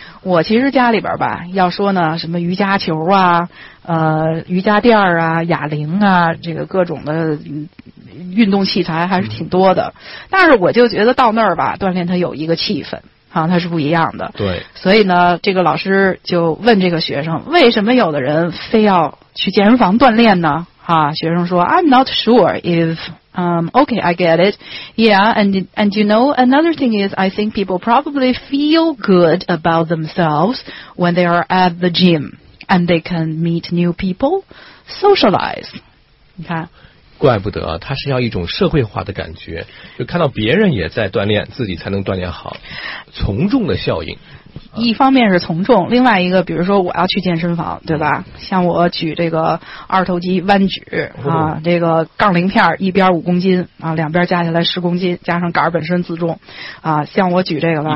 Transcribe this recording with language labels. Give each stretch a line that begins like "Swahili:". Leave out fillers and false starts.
Chinese: 我其实家里边吧，要说呢，什么瑜伽球啊，瑜伽垫啊，哑铃啊，这个各种的运动器材还是挺多的。但是我就觉得到那儿吧，锻炼它有一个气氛。啊，它是不一样的。对，所以呢，这个老师就问这个学生，为什么有的人非要去健身房锻炼呢？哈，学生说
English: ，I'm not sure if, okay, I get it. Yeah, and you know, another thing is, I think people probably feel good about themselves when they are at the gym and they can meet new people, socialize.
Chinese: 你看。怪不得他是要一种社会化的感觉，就看到别人也在锻炼，自己才能锻炼好，从众的效应。一方面是从众，另外一个比如说我要去健身房，对吧，像我举这个二头肌弯举啊，这个杠铃片一边5公斤啊，两边加起来10公斤，加上杆本身自重啊，像我举这个吧，